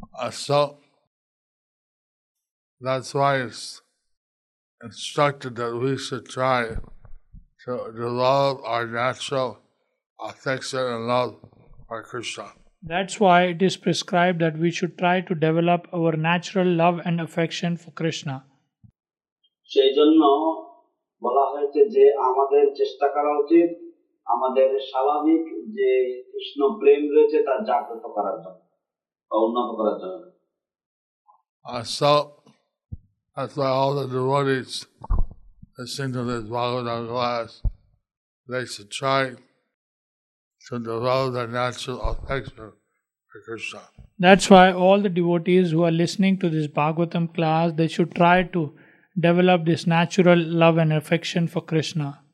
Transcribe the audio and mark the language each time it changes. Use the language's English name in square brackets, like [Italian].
[English] So, that's why it's instructed that we should try to develop our natural affection and love for Krishna. That's why it is prescribed that we should try to develop our natural love and affection for Krishna. [Bangla] সেই জন্য বলা হয়েছে যে আমাদের চেষ্টা করা উচিত আমাদের স্বাভাবিক যে কৃষ্ণ প্রেম রয়েছে তা জাগ্রত করার জন্য বা উন্নত করার জন্য [English] আসো as well all the devotees listening to this Bhagavatam class they should try to develop their natural affection for Krishna. That's why all the devotees who are listening to this Bhagavatam class they should try to develop this natural love and affection for Krishna.